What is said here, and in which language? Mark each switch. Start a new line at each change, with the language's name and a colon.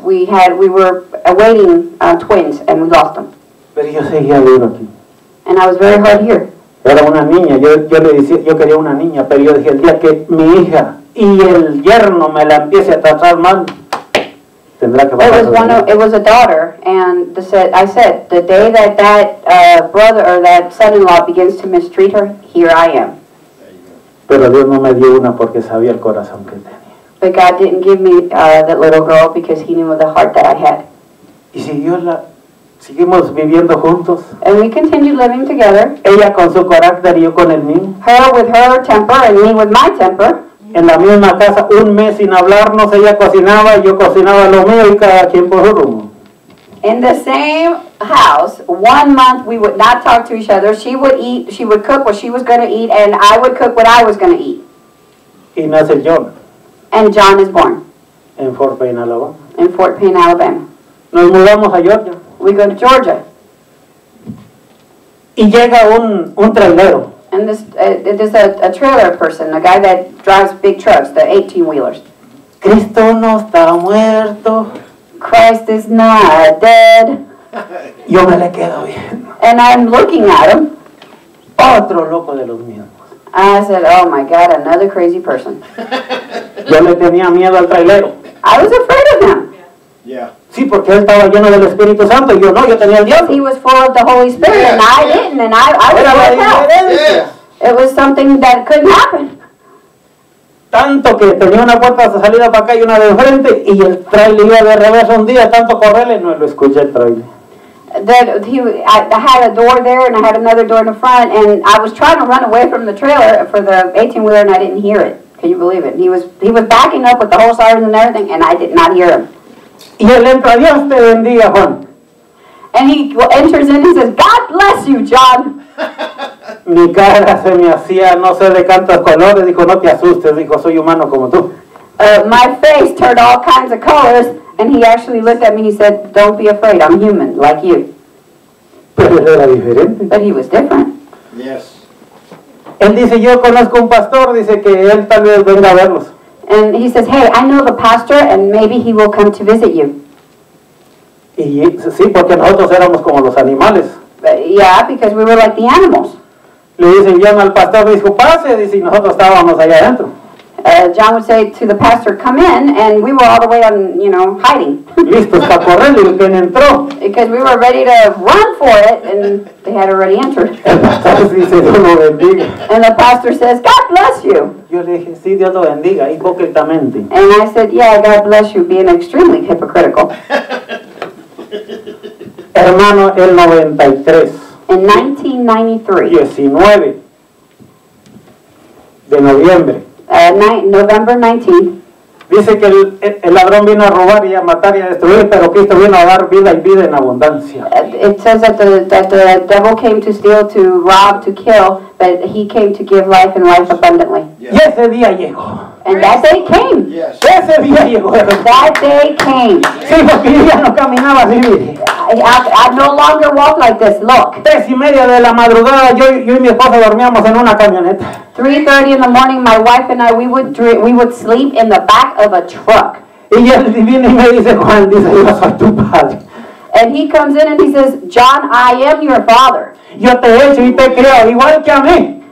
English: We were awaiting twins and we lost them.
Spanish: Pero yo seguía duro aquí.
English: And I was very hard here.
Spanish: Era una niña. Yo le decía, yo quería una niña, pero yo dije el día que mi hija y el yerno me la empiece a tratar mal.
English: It was a daughter, and I said, the day that brother or that son-in-law begins to mistreat her, here I am.
Spanish: Pero Dios no me dio una porque sabía el corazón que tenía.
English: But God didn't give me that little girl because He knew the heart that I had.
Spanish: Y seguimos viviendo juntos.
English: And we continued living together.
Spanish: Ella con su carácter y yo con el mío.
English: Her with her temper and me with my temper.
Spanish: En la misma casa, un mes sin hablarnos, ella cocinaba, yo cocinaba lo mío y cada quien por su rumbo.
English: In the same house, 1 month we would not talk to each other. She would eat, she would cook what she was going to eat, and I would cook what I was going to eat.
Spanish: Y nace John.
English: And John is born.
Spanish: En Fort Payne, Alabama.
English: In Fort Payne, Alabama.
Spanish: Nos mudamos a Georgia.
English: We go to Georgia.
Spanish: Y llega un trailero.
English: And this is a trailer person, a guy that drives big trucks, the 18-wheelers.
Spanish: Cristo no está muerto.
English: Christ is not dead.
Spanish: Yo me le quedo viendo.
English: And I'm looking at him.
Spanish: Otro loco de los mismos.
English: I said, oh my God, another crazy person.
Spanish: Yo le tenía miedo al trailero.
English: I was afraid of him. Yeah.
Spanish: Sí, porque él estaba lleno del Espíritu Santo y yo no, yo tenía el diablo.
English: He was full of the Holy Spirit, yeah, and I didn't, and I was like, yeah. It was something that couldn't happen.
Spanish: Tanto que tenía una puerta de salida para acá y una de frente, y el trailer iba de revés un día, tanto correrle, no lo escuché el trailer.
English: I had a door there, and I had another door in the front, and I was trying to run away from the trailer for the 18-wheeler, and I didn't hear it. Can you believe it? He was backing up with the whole sirens and everything, and I did not hear him.
Spanish: Y él entra, Dios te bendiga, Juan.
English: And he enters in and says, God bless you, John.
Spanish: Mi cara se me hacía, no sé de cuántos colores. Dijo, no te asustes. Dijo, soy humano como tú.
English: My face turned all kinds of colors. And he actually looked at me and he said, don't be afraid. I'm human, like you.
Spanish: Pero él era diferente.
English: But he was different. Yes.
Spanish: Él dice, yo conozco un pastor. Dice que él tal vez venga a verlos.
English: And he says, hey, I know the pastor, and maybe he will come to visit you.
Spanish: Y, sí, porque nosotros éramos como los animales.
English: Yeah, because we were like the animals.
Spanish: Le dicen, llama al pastor, dijo, pase, dice, y nosotros estábamos allá adentro.
English: John would say to the pastor, come in, and we were all the way on, you know, hiding.
Spanish: Listos para correr, y quien entró.
English: Because we were ready to run for it, and they had already entered. And the pastor says, God bless you.
Spanish: Yo le dije, sí, Dios lo bendiga, hipócritamente.
English: And I said, yeah, God bless you, being extremely hypocritical.
Spanish: Hermano, el 93.
English: In 1993.
Spanish: 19 de noviembre.
English: November 19th.
Spanish: Dice que el ladrón vino a robar y a matar y a destruir, pero Cristo vino a dar vida y vida en abundancia.
English: It says that the devil came to steal, to rob, to kill, but he came to give life and life abundantly. Yes.
Spanish: Y ese día llegó.
English: And that day came. Yes.
Spanish: Ese día llegó.
English: That day came.
Spanish: Sí, porque ya no caminaba así.
English: I no longer walk like this. Look.
Spanish: 3:30 de la madrugada, yo y mi esposa dormíamos en una camioneta.
English: 3:30 in the morning, my wife and I, we would sleep in the back of a truck.
Spanish: Y él viene y me dice, Juan, dice, yo soy tu padre.
English: And he comes in and he says, John, I am your father.
Spanish: Yo te he hecho y te creo igual que a mí.